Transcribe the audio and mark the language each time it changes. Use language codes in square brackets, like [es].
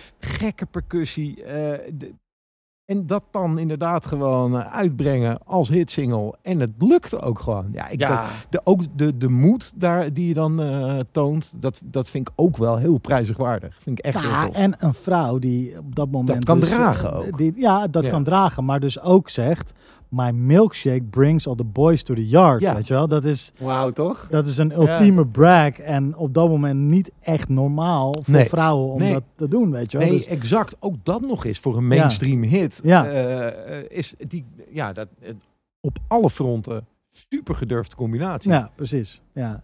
[nl] Gekke percussie. En dat dan inderdaad gewoon uitbrengen als hitsingle. En het lukte ook gewoon. Ja, de moed daar die je dan toont, dat vind ik ook wel heel prijzigwaardig. Vind ik echt heel tof. En een vrouw die op dat moment... Dat kan dragen ook. Die kan dragen, maar dus ook zegt... [en] My milkshake brings all the boys to the yard. [nl] Ja. Weet je wel? Dat is... Wauw, toch? Dat is een ultieme brag. En op dat moment niet echt normaal voor vrouwen om dat te doen, weet je wel? Nee, dus... exact. Ook dat nog eens voor een mainstream hit. Ja. Is die... Ja, dat op alle fronten super gedurfde combinatie. Ja, precies. Ja.